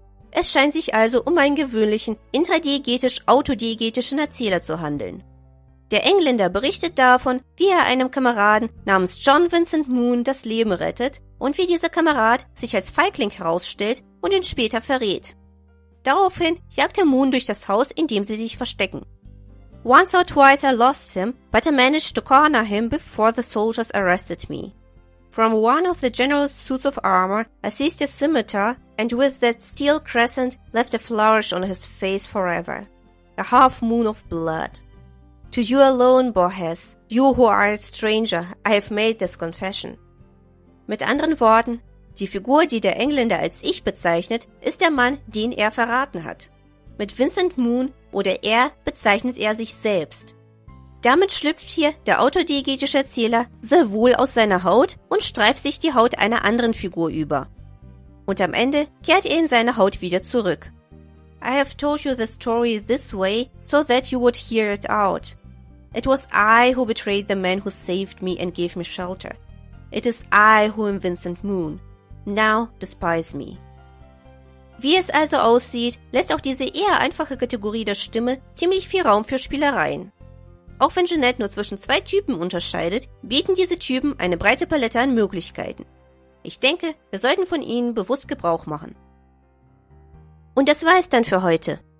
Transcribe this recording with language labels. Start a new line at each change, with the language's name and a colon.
German: Es scheint sich also um einen gewöhnlichen intradiegetisch-autodiegetischen Erzähler zu handeln. Der Engländer berichtet davon, wie er einem Kameraden namens John Vincent Moon das Leben rettet und wie dieser Kamerad sich als Feigling herausstellt und ihn später verrät. Daraufhin jagt er Moon durch das Haus, in dem sie sich verstecken.
English: Once or twice I lost him, but I managed to corner him before the soldiers arrested me. From one of the general's suits of armor I seized a scimitar and with that steel crescent left a flourish on his face forever. A half moon of blood. To you alone, Borges, you who are a stranger, I have made this confession.
German: Mit anderen Worten, die Figur, die der Engländer als Ich bezeichnet, ist der Mann, den er verraten hat. Mit Vincent Moon oder er bezeichnet er sich selbst. Damit schlüpft hier der autodiegetische Erzähler sehr wohl aus seiner Haut und streift sich die Haut einer anderen Figur über. Und am Ende kehrt er in seine Haut wieder zurück.
English: I have told you the story this way, so that you would hear it out. It was I who betrayed the man who saved me and gave me shelter. It is I who am Vincent Moon. Now despise me.
German: Wie es also aussieht, lässt auch diese eher einfache Kategorie der Stimme ziemlich viel Raum für Spielereien. Auch wenn Jeanette nur zwischen zwei Typen unterscheidet, bieten diese Typen eine breite Palette an Möglichkeiten. Ich denke, wir sollten von ihnen bewusst Gebrauch machen. Und das war es dann für heute.